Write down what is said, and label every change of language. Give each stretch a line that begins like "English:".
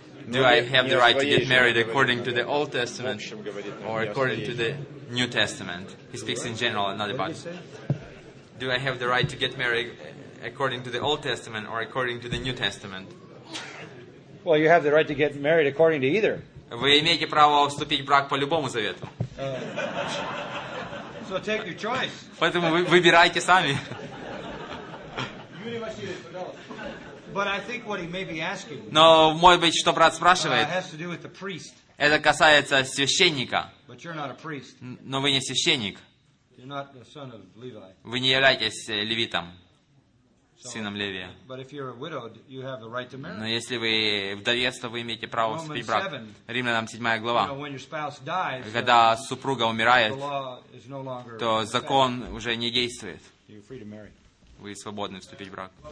English: Do I have the right to get married according to the Old Testament or according to the New Testament? He speaks in general, not about. Do I have the right to get married according to the Old Testament or according to the New Testament? Well, you have the right to get married according to either.
Russian: Вы имеете право вступить в брак по любому завету.
English: So take your choice.
Russian: Поэтому выбирайте сами. Юрий Васильевич, пожалуйста.
English: But I think what he may be asking.
Russian: Но, может быть, что брат спрашивает?
English: Has to do with the priest.
Russian: Это касается священника.
English: But you're not a priest.
Russian: Но вы не священник.
English: You're not the son of Levi.
Russian: Вы не являетесь левитом. Сыном Левия.
English: But if you're a widowed, you have the right to marry.
Russian: Но если вы вдовец, то вы имеете право вступить в брак. Римлянам 7 глава. Когда супруга умирает, то закон уже не действует. Вы свободны вступить в брак.